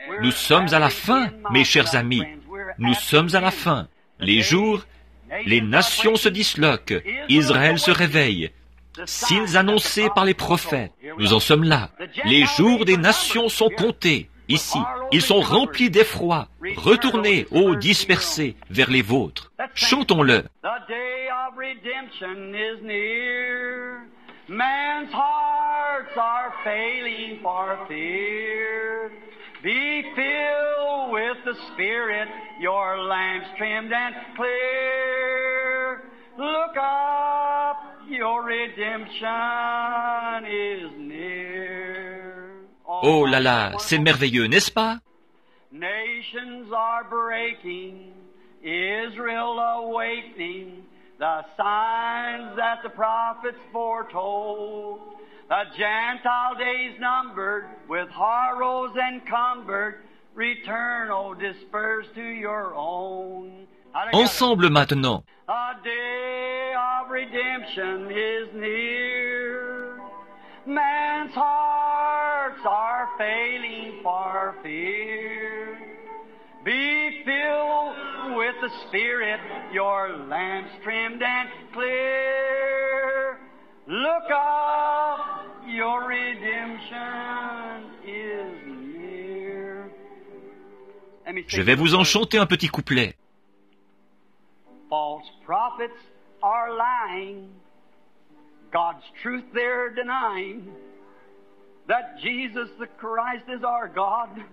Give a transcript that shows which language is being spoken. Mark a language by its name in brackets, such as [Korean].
[French] Nous sommes à la fin, mes chers amis. Nous sommes à la fin. Les jours... Les nations se disloquent, Israël se réveille. Signes annoncés par les prophètes, nous en sommes là. Les jours des nations sont comptés, ici. Ils sont remplis d'effroi. Retournez, ô dispersés, vers les vôtres. Chantons-le. [English] The day of redemption is near. Man's hearts are failing for fear. Be filled with the Spirit, your lamps trimmed and clear. Look up, your redemption is near. [French] Oh là là, c'est merveilleux, n'est-ce pas? [English] Nations are breaking, Israel awakening, the signs that the prophets foretold. The Gentile days numbered, with horrors encumbered, return, O dispersed, to your own. [French] Ensemble maintenant. [English] A day of redemption is near. Man's hearts are failing for fear. Be filled with the Spirit, your lamps trimmed and clear. Look up, your redemption is near. [French] Je vais vous en chanter un petit couplet. [English] False prophets are lying, God's truth they're denying, that Jesus the Christ is our God.